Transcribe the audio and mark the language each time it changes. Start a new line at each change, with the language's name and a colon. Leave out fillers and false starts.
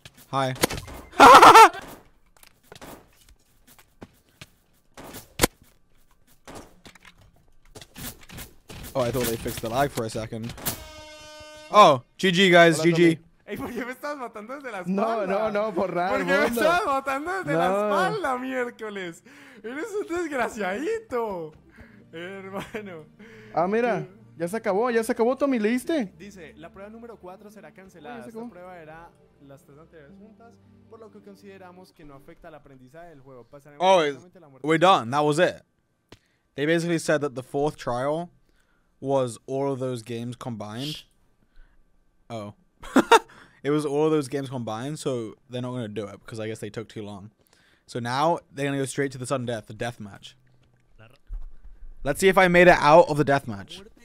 English: Hi. Oh, I thought they fixed the lag for a second. Oh, GG guys, GG.
Spanish: Ey, ¿por qué me estás matando desde la espalda? No, por raro. ¿Por qué me estás matando desde la espalda, miércoles? Eres un desgraciadito. Hermano. Ah, mira. Ya se acabó, Tommy. ¿Leíste? Dice, la prueba número 4 será cancelada. Esta prueba era las tres anteriores juntas, por lo que consideramos que no afecta al aprendizaje del juego. Pasaremos directamente a la muerte.
English: We're done. That was it. They basically said that the fourth trial was all of those games combined. Oh. It was all of those games combined, so they're not going to do it because I guess they took too long. So now they're going to go straight to the sudden death, the death match. Let's see if I made it out of the death match.